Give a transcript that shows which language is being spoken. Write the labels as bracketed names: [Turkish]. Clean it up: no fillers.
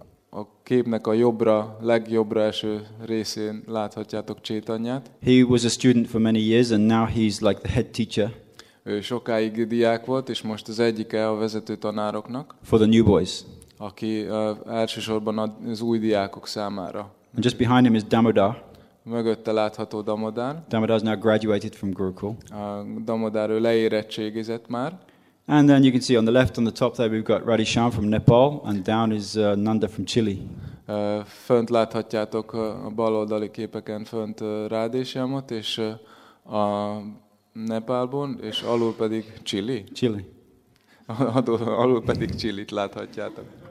[Hungarian] A képnek a legjobbra eső részén láthatjátok Chaitanyát. [English] He was a student for many years and now he's like the head teacher. [Hungarian] Ő sokáig diák volt, és most az egyike a vezető tanároknak. [English] For the new boys. [Hungarian] Aki elsősorban az új diákok számára. [English] And just behind him is Damodar. [Hungarian] Mögötte látható Damodar. [English] Damodar has now graduated from Gurukul. [Hungarian] Damodar ő leérettségizett már. [English] And then you can see on the left on the top there we've got Radhi Shyam from Nepal and down is Nanda from Chile. [Hungarian] Fönt láthatjátok a bal oldali képeken fönt Radhi Shyamot és a Nepálból és alul pedig Chile. alul pedig Chilit láthatjátok.